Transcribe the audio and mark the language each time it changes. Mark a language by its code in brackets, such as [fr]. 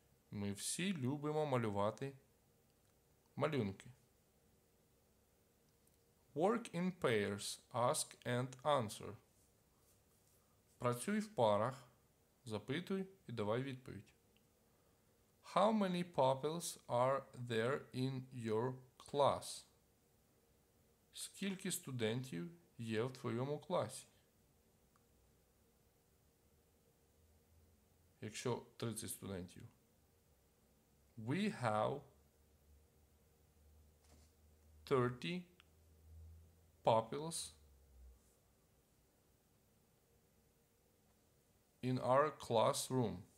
[uk] Ми всі любимо малювати малюнки. [en] Work in pairs. Ask and answer. [uk] Працюй в парах. Запитуй і давай відповідь. [en] How many pupils are there in your class? [uk] Скільки студентів є в твоєму класі? Якщо 30 студентів. [en] We have 30 pupils in our classroom.